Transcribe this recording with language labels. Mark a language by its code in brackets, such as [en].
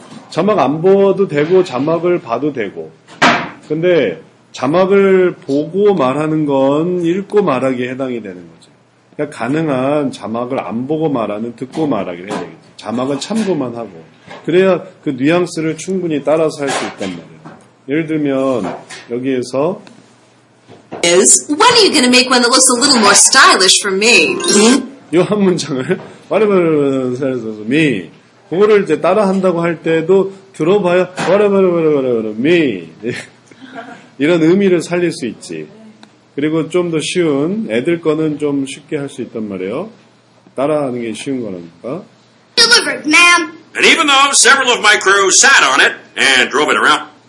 [ko] 자막 안 보아도 되고 자막을 봐도 되고 근데 자막을 보고 말하는 건 읽고 말하기에 해당이 되는 거죠. 그러니까 가능한 자막을 안 보고 말하는 듣고 말하기를 해야 되겠죠. 자막은 참고만 하고 그래야 그 뉘앙스를 충분히 따라서 할 수 있단 말이에요. 예를 들면 여기에서 [en] Is when are you going to make one that looks a little more stylish for me? [ko] 요 한 문장을 [en] whatever me [ko] 그거를 이제 따라 한다고 할 때도 들어봐야 whatever me 이런 의미를 살릴 수 있지. 그리고 좀 더 쉬운 애들 거는 좀 쉽게 할 수 있단 말이에요. 따라하는 게 쉬운 거니까. [en] Delivered, ma'am. And even though several of my crew sat on it and drove it around.